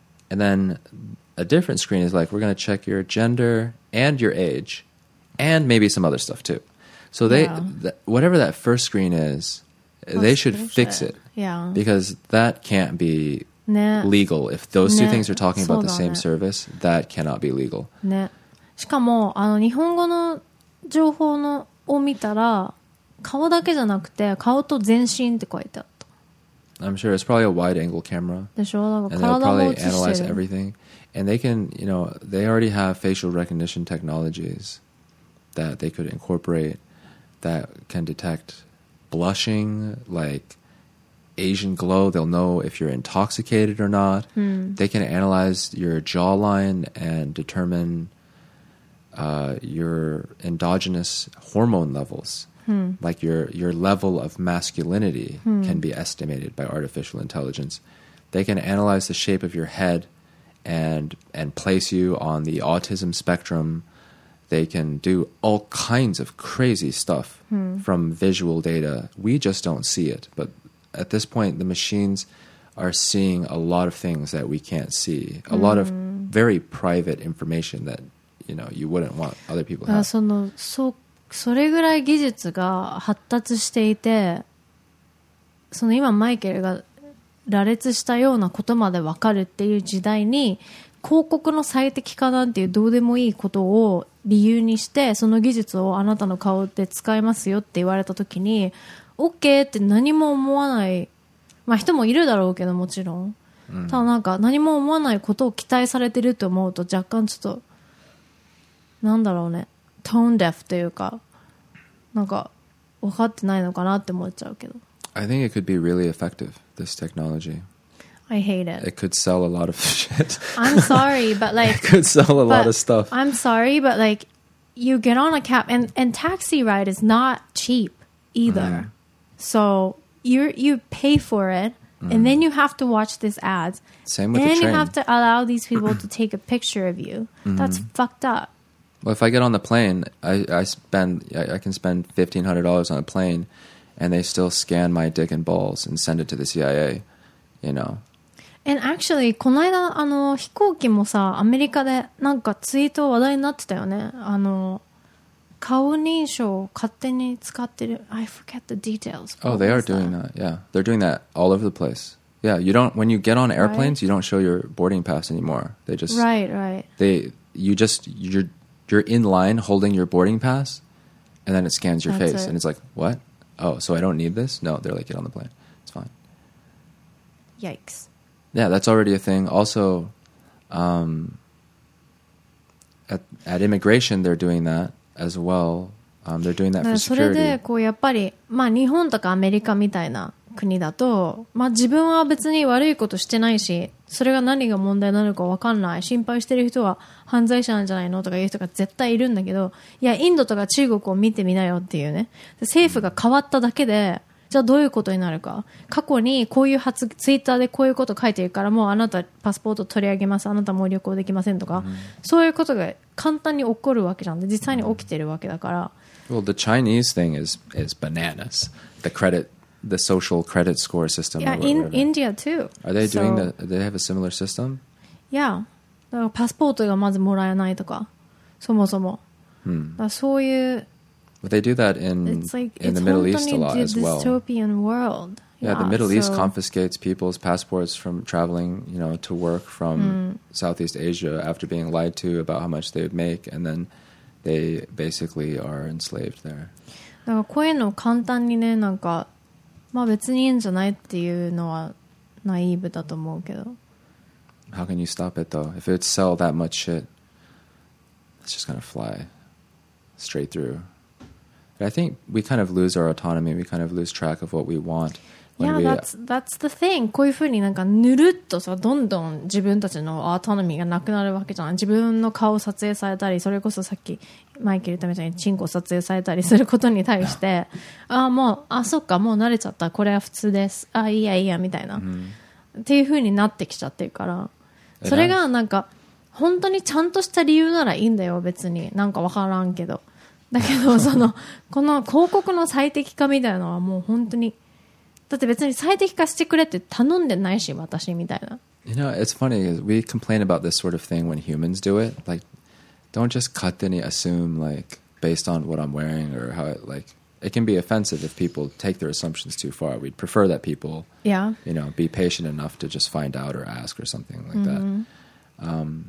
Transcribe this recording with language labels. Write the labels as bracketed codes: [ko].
[en] And then a different screen is like, we're going to check your gender and your age and maybe some other stuff too. So they, whatever that first screen is, they should fix it. Yeah. Because that can't be legal. If those two things are talking about the same service, that cannot be legal. [ja] しかも、あの、日本語の情報のを見たら、顔だけじゃなくて、顔と全身って書いてあった。 [en] I'm sure it's probably a wide-angle camera. [ja] でしょ？だから、体も映してる。 [en] And they'll probably analyze everything. And they can, you know, they already have facial recognition technologies that they could incorporate that can detect blushing, like Asian glow. They'll know if you're intoxicated or not. They can analyze your jawline and determine your endogenous hormone levels. Like your level of masculinity can be estimated by artificial intelligence. They can analyze the shape of your head and place you on the autism spectrum. They can do all kinds of crazy stuff from visual data. We just don't see it. But at this point, the machines are seeing a lot of things that we can't see. A lot of very private information that, you know, you wouldn't want other people to have. [ja] それぐらい技術が発達していて、その今マイケルが羅列したようなことまで分かるっていう時代に、広告の最適化なんていうどうでもいいことを理由にして、その技術をあなたの顔で使いますよって言われた時に、OK って何も思わない、まあ人もいるだろうけどもちろん、ただなんか何も思わないことを期待されてると思うと若干ちょっと、なんだろうね、トーンデフというか、なんか分かってないのかなって思っちゃうけど。 [en] I think it could be really effective, this technology. I hate it. It could sell a lot of shit. I'm sorry, but like... It could sell a lot of stuff. I'm sorry, but like, you get on a cab... And taxi ride is not cheap either. So you pay for it, and then you have to watch this ad. Same with the train. And you have to allow these people to take a picture of you. That's fucked up. Well, if I get on the plane, I can spend $1,500 on a plane, and they still scan my dick and balls and send it to the CIA, you know? And actually, [ja] この間あの飛行機もさ、アメリカでなんかツイート話題になってたよね。あの顔認証を勝手に使ってる。 [en] I forget the details. Oh, they are doing that. Yeah, they're doing that all over the place. Yeah, you don't. When you get on airplanes, you don't show your boarding pass anymore. They just right. You're in line holding your boarding pass, and then it scans your face, and it's like, what? Oh, so I don't need this? No, they're like, get on the plane. It's fine. Yikes. Yeah, that's already a thing. Also, at immigration, they're doing that as well. They're doing that for security. [ja] それでこうやっぱり、まあ、日本とかアメリカみたいな国だと、まあ、自分は別に悪いことしてないし、それが何が問題なのか分かんない。心配してる人は犯罪者なんじゃないのとかいう人が絶対いるんだけど、いや、インドとか中国を見てみなよっていうね。政府が変わっただけで、じゃあどういうことになるか。過去にこういう発ツイッターでこういうこと書いてるから、もうあなたパスポート取り上げます、あなたもう旅行できませんとか、そういうことが簡単に起こるわけじゃん。で、実際に起きてるわけだから。 [en] Well, the Chinese thing is bananas. The social credit score system. Yeah, in India too. Are they doing they have a similar system? Yeah. [ja] だからパスポートがまずもらえないとか、そもそも。だからそういう。 [en] But they do that in the Middle East a lot as well. It's like a dystopian world. Yeah, the Middle East confiscates people's passports from traveling, you know, to work from Southeast Asia after being lied to about how much they would make, and then they basically are enslaved there. [ja] だからこういうの簡単にね、なんか、まあ別にいいんじゃないっていうのはナイーブだと思うけど。 [en] How can you stop it, though? If it would sell that much shit, it's just going to fly straight through. But I think we kind of lose our autonomy. We kind of lose track of what we want. Yeah, that's the thing. [ja] こういうふうになんかぬるっとさ、どんどん自分たちのアートノミーがなくなるわけじゃん。自分の顔を撮影されたり、それこそさっきマイケルとみたいにチンコを撮影されたりすることに対して、あ、もう、あ、そっか、もう慣れちゃった。これは普通です。あ、いいや、いいや、みたいな。っていうふうになってきちゃってるから。それがなんか、本当にちゃんとした理由ならいいんだよ、別に。なんかわからんけど。だけど、その、この広告の最適化みたいなのはもう本当に、だって別に最適化してくれって頼んでないし私みたいな。 [en] You know, it's funny. We complain about this sort of thing when humans do it. Like, don't just cut any assume like based on what I'm wearing or how it, like it can be offensive if people take their assumptions too far. We'd prefer that people, yeah, you know, be patient enough to just find out or ask or something like that.